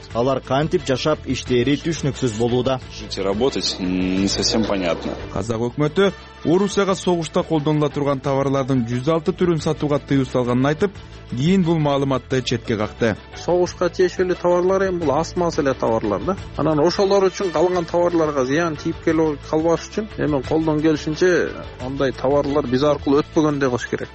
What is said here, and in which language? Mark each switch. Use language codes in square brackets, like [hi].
[ky] Алар кантип жашап, иштери түшүнүксүз болууда. [ru] Жить и работать не совсем понятно. [ky] Казак өкмөтү Орусияга согушта колдонула турган товарлардын 106 түрүн сатууга тыюу салганын айтып, кийин бул маалыматты четке какты. Согушка тиешелүү товарлар эми бул асмас эле товарлар да. Анан ошолор үчүн калган товарларга зыян тийип келип калбаш үчүн эми колдон келишинче андай товарлар биз аркылуу өтпөгөн деп кылыш керек.